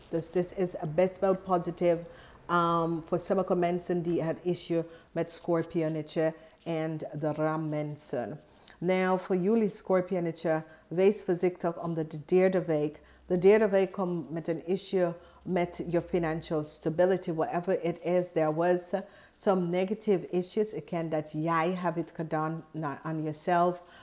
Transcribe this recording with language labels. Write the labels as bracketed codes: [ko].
[nl] Dus dit is best wel positief voor sommige mensen die het issue met scorpionetje en de ram mensen. Nou, voor jullie scorpionetje, wees voorzichtig om de derde week. De derde week komt met een issue met je [en] financial stability. Whatever it is, there was some negative issues. [nl] Ik ken dat jij hebt het gedaan aan jezelf.